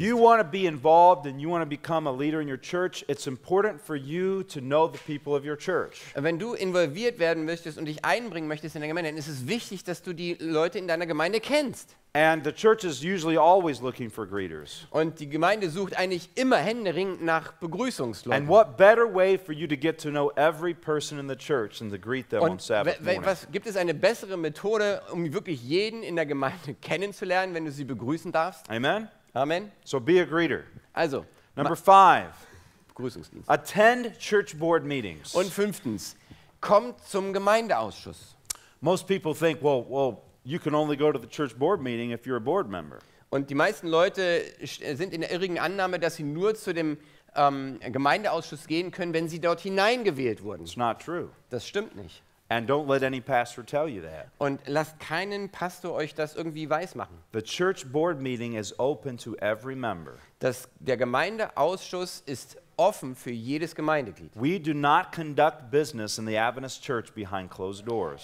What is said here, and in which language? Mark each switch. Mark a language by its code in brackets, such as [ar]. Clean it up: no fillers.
[en] If you want to be involved and you want to become a leader in your church, it's important for you to know the people of your church. [de] Wenn du involviert werden möchtest und dich einbringen möchtest in der Gemeinde, dann ist es wichtig, dass du die Leute in deiner Gemeinde kennst. [en] And the church is usually always looking for greeters. [de] Und die Gemeinde sucht eigentlich immer händeringend nach Begrüßungsleuten. [en] And what better way for you to get to know every person in the church than to greet them on Sabbath morning? [de] Was gibt es eine bessere Methode, um wirklich jeden in der Gemeinde kennenzulernen, wenn du sie begrüßen darfst? [en] Amen. [de] Amen. [en] So be a greeter. [de] Also, [en] number 5. [de] Begrüßungsdienst. [en] Attend church board meetings. [de] Und fünftens, komm zum Gemeindeausschuss. [en] Most people think, well, you can only go to the church board meeting if you're a board member. [de] Und die meisten Leute sind in der irrigen Annahme, dass sie nur zu dem Gemeindeausschuss gehen können, wenn sie dort hineingewählt wurden. [en] It's not true. [de] Das stimmt nicht. [en] And don't let any pastor tell you that. [de] Und lasst keinen Pastor euch das irgendwie weismachen. [en] The church board meeting is open to every member. [de] Der Gemeindeausschuss ist offen für jedes Gemeindeglied. [en] We do not conduct business in the Adventist church behind closed doors.